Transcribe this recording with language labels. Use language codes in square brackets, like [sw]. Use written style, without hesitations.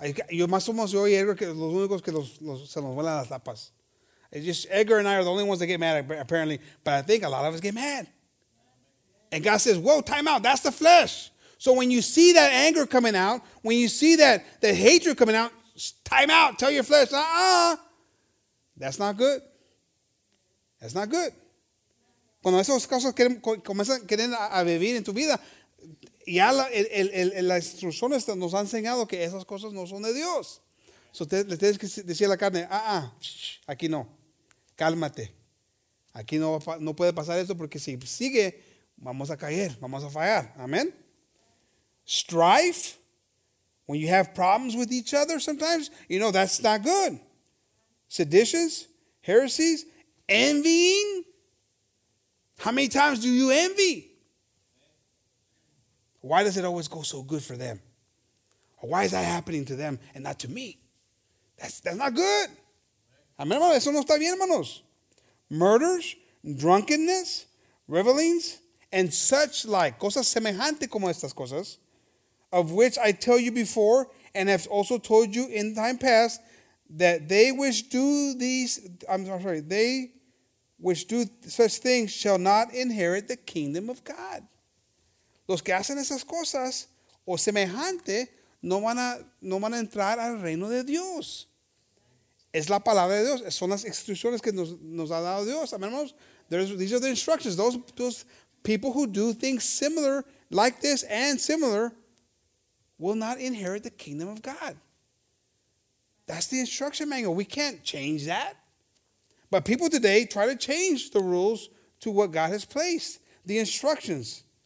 [es] Yo más o menos yo y Edgar que los únicos que se nos vuelan las tapas. [en] It's just Edgar and I are the only ones that get mad, apparently. But I think a lot of us get mad. And God says, whoa, time out. That's the flesh. So when you see that anger coming out, when you see that hatred coming out, time out. Tell your flesh, That's not good. That's not good. [es] Cuando esos casos comienzan a querer a vivir en tu vida, ya las instrucciones nos han enseñado que esas cosas no son de Dios. So le tienes que decir a la carne, aquí no. Cálmate. Aquí no puede pasar esto porque si sigue, vamos a caer, vamos a fallar. [en] Amen. Strife, when you have problems with each other sometimes, you know, that's not good. Seditions, heresies, envying. How many times do you envy? Why does it always go so good for them? Why is that happening to them and not to me? That's not good. [es] Amen, hermano, eso no está bien, hermanos. [en] Murders, drunkenness, revelings, and such like. [es] Cosas semejantes como estas cosas. [en] Of which I tell you before, and have also told you in time past, that they which do such things shall not inherit the kingdom of God. [es] Los que hacen esas cosas, o semejante, no van a entrar al reino de Dios. Es la palabra de Dios. Son las instrucciones que nos ha dado Dios. Amén, hermanos. [en] These are the instructions. Those people who do things similar, like this and similar, will not inherit the kingdom of God. That's the instruction manual. We can't change that. But people today try to change the rules to what God has placed, the instructions.